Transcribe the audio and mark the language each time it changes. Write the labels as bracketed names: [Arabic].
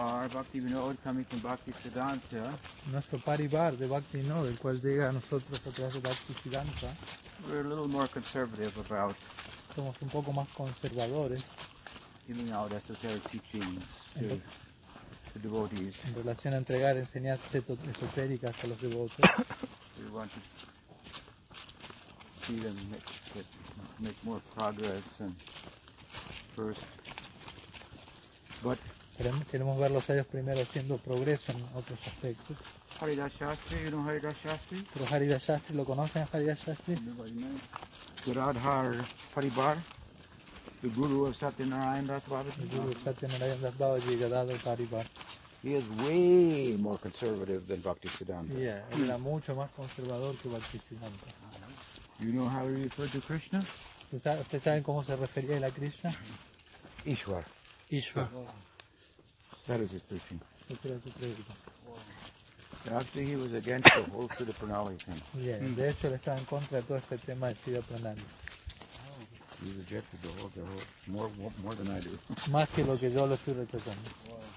[Spanish] Nuestro paribar de Bhaktivinoda, el cual llega a nosotros a través de Bhaktisiddhanta. [English] We're a little more conservative about. [Spanish] Somos un poco más conservadores. [English] Giving out esoteric teachings to the devotees. [Spanish] En relación a entregar enseñanzas esotéricas a los devotos. [English] We want to see them make more progress and first. But [Spanish] queremos verlos ellos primero haciendo progreso en otros aspectos. [English] Haridas Shastri, you know Haridas Shastri? [Spanish] Pero Haridas Shastri, ¿lo conocen Haridas Shastri? [English] Gurudhar Paribar, the guru of Satyanarayan Das Babaji. The guru of Satyanarayan Das Babaji, Gurudhar Paribar. He is way more conservative than Bhaktisiddhanta. [Spanish] Yeah, él era mucho más conservador que Bhaktisiddhanta. [English] You know how he referred to Krishna? [Spanish] ¿Ustedes saben cómo se refería él a Krishna? [English] Ishwar. [Spanish] Ishwar. [English] That is his preaching. Wow. Actually, he was against the whole Siddha Pranali thing. [Spanish] Yeah, de hecho, él estaba en contra de todo este tema de Siddha Pranali. [English] He rejected the whole, more than I do. [Spanish] Más que lo que yo lo estoy rechazando.